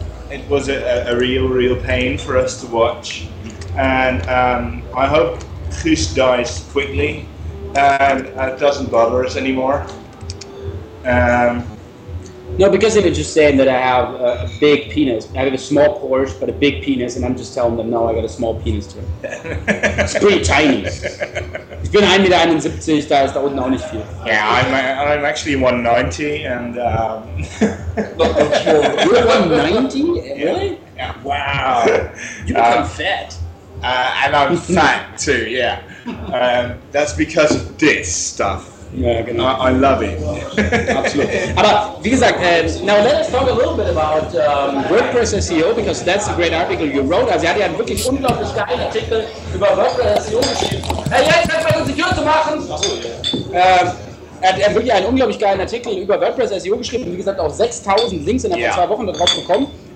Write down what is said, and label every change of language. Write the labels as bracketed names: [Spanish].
[English] It was a real, real pain for us to watch, and I hope Chris dies quickly and doesn't bother us anymore. No, because they were just saying that I have a big penis. I have a small Porsche, but a big penis, and I'm just telling them, no, I got a small penis too. It's pretty tiny. [German] Ich bin 1,71 Meter, da unten auch nicht viel. [English] Yeah, I'm actually 190, and You're 190? Really? Yeah. Wow. You become fat. And I'm fat too, yeah. That's because of this stuff. [German] Ja, genau. [English] I love it. [German] Absolut. Aber wie gesagt, [English] now let us talk a little bit about WordPress SEO, because that's a great article you wrote. [German] Also, sie hat ja einen wirklich unglaublich geilen Artikel über WordPress SEO geschrieben. Hey, jetzt kannst du mal Secure zu machen! Er hat wirklich einen unglaublich geilen Artikel über WordPress SEO geschrieben und wie gesagt auch 6000 Links innerhalb von zwei Wochen darauf bekommen.